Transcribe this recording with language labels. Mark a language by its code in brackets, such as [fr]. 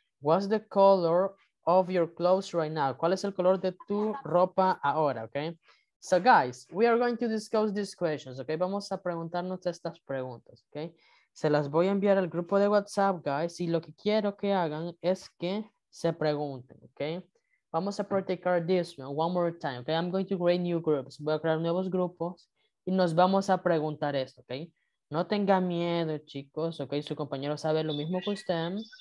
[en] What's the color of your clothes right now? [es] ¿Cuál es el color de tu ropa ahora, okay? [en] So, guys, we are going to discuss these questions, okay? [es] Vamos a preguntarnos estas preguntas, okay? Se las voy a enviar al grupo de WhatsApp, guys. Y lo que quiero que hagan es que se pregunten, ¿ok? Vamos a practicar [en] this one more time, ¿ok? I'm going to create new groups. [es] Voy a crear nuevos grupos y nos vamos a preguntar esto, ¿ok? No tengan miedo, chicos, ¿ok? Su compañero sabe lo mismo que usted.